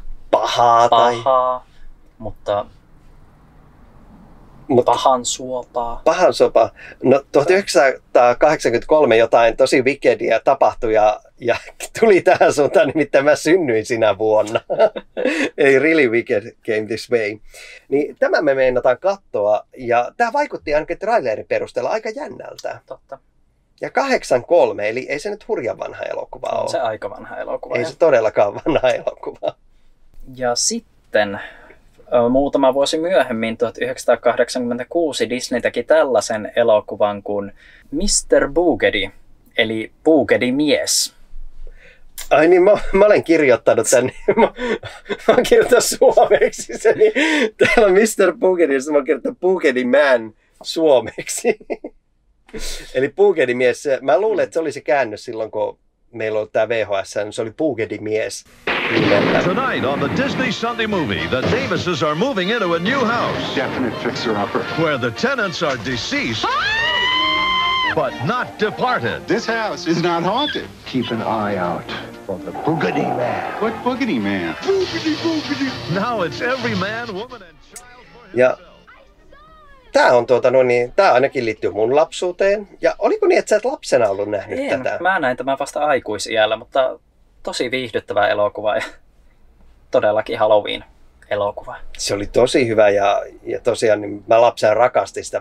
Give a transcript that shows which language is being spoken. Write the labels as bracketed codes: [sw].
[fi] Pahaa, mutta pahan suopaa. Pahan suopaa. No 1983 jotain tosi wickedia tapahtui ja tuli tähän suuntaan, nimittäin mä synnyin sinä vuonna. [en] Ei really wicked came this way. [fi] Niin tämä me meinataan katsoa ja tämä vaikutti ainakin trailerin perusteella aika jännältä. Totta. Ja 83, eli ei se nyt hurjan vanha elokuva ole. Se aika vanha elokuva. Ei se todellakaan vanha elokuva. Ja sitten muutama vuosi myöhemmin, 1986, Disney teki tällaisen elokuvan kuin Mr. Boogedy, eli Boogedy-mies. Ai niin, mä olen kirjoittanut sen. Mä olen kirjoittanut suomeksi sen. Täällä on Mr. Boogedy, jossa mä olen kirjoittanut Boogedy-man suomeksi. Eli Boogedy-mies, mä luulen, että se oli se käännös silloin, kun meillä oli tää VHS, niin se oli Boogedy-mies. [en] Tonight on the Disney Sunday movie, the Davises are moving into a new house. Definite fixer-upper. Where the tenants are deceased, but not departed. This house is not haunted. Keep an eye out for the Boogedy-man. What Boogedy-man? Boogedy-boogedy! Now it's every man, woman and child for himself. Yeah. [fi] Tämä on tämä ainakin liittyy mun lapsuuteen. Ja oliko niin, että sä et lapsena ollut nähnyt tätä? Mä näin tämän vasta aikuisiällä, mutta tosi viihdyttävä elokuva ja todellakin Halloween-elokuva. Se oli tosi hyvä ja tosiaan niin mä lapsen rakastin sitä.